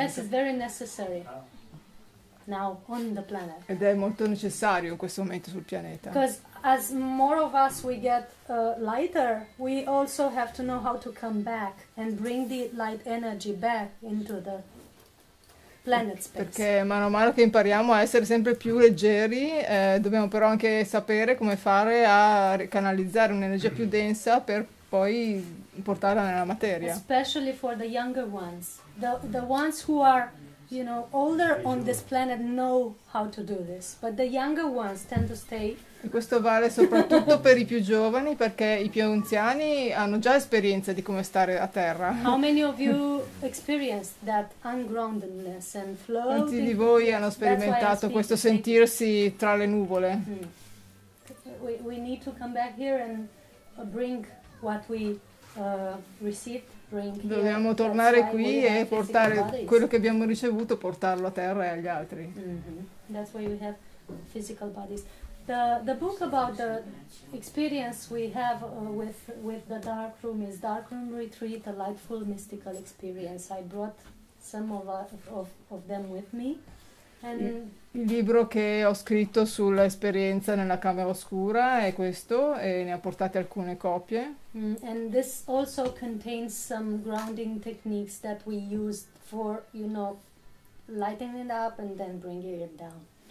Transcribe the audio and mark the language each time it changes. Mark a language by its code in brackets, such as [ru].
[en] Yes, it's very necessary now on the planet. [it] Ed è molto necessario in questo momento sul pianeta. [en] Because as more of us we get lighter, we also have to know how to come back and bring the light energy back into the planet space. [it] Perché mano a mano che impariamo a essere sempre più leggeri, dobbiamo però anche sapere come fare a canalizzare un'energia più densa per poi portarla nella materia. [en] Especially for the younger ones. The ones who are, you know, older on this planet know how to do this, but the younger ones tend to stay. [it] E questo vale soprattutto per i più giovani, perché i più anziani hanno già esperienza di come stare a terra. [en] How many of you experienced that ungroundedness and floating? [it] Quanti di voi hanno sperimentato questo sentirsi tra le nuvole? [en] We need to come back here and bring what we received. [it] Dobbiamo tornare qui e portare quello che abbiamo ricevuto, portarlo a terra e agli altri. [en] Mm-hmm. That's why we have physical bodies. The book about the experience we have with the dark room is Dark Room Retreat, a lightful mystical experience. I brought some of them with me. And [it] il libro che ho scritto sull'esperienza nella camera oscura è questo, e ne ho portate alcune copie. [en] And this also contains some grounding techniques that we used for, you know, lighting it up and then bringing it down.